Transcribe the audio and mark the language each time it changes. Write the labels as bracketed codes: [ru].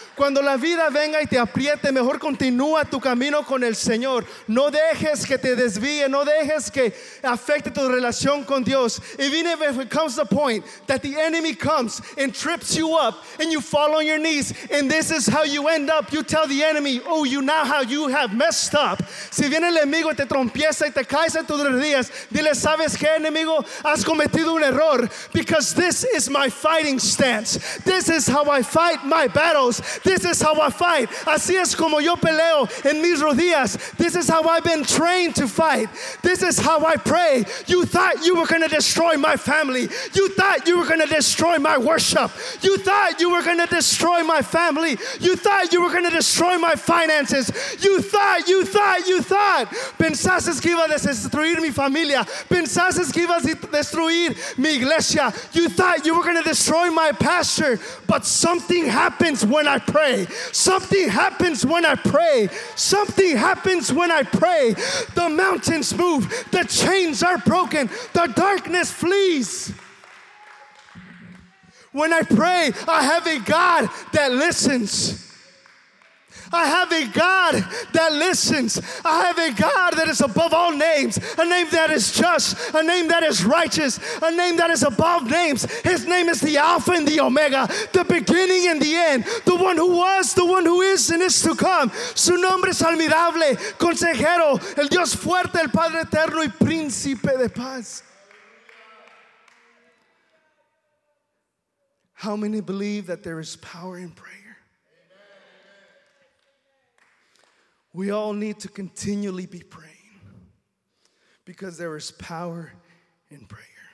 [es] Cuando la vida venga y te apriete, mejor continúa tu camino con el Señor. No dejes que te desvíe, no dejes que afecte tu relación con Dios. [en] Even if it comes to the point that the enemy comes and trips you up and you fall on your knees and this is how you end up, you tell the enemy, oh, you now how you have messed up. [es] Si viene el enemigo y te trompieza y te caes en tus rodillas, dile, ¿sabes qué, enemigo? Has cometido un error. [en] Because this is my fighting stance. This is how I fight my battles. This is how I fight. [es] Así es como yo peleo en mis rodillas. [en] This is how I've been trained to fight. This is how I pray. You thought you were going to destroy my family. You thought you were going to destroy my worship. You thought you were going to destroy my family. You thought you were going to destroy my finances. You thought. [es] Pensaste que iba a destruir mi familia. Pensaste que iba a destruir mi iglesia. [en] You thought you were going to destroy my pastor. But something happens when I pray. Something happens when I pray. Something happens when I pray. The mountains move. The chains are broken. The darkness flees. When I pray, I have a God that listens. I have a God that listens. I have a God that is above all names, a name that is just, a name that is righteous, a name that is above names. His name is the Alpha and the Omega, the beginning and the end, the one who was, the one who is, and is to come. [es] Su nombre es admirable, consejero, el Dios fuerte, el Padre eterno y príncipe de paz. [en] How many believe that there is power in prayer? We all need to continually be praying because there is power in prayer.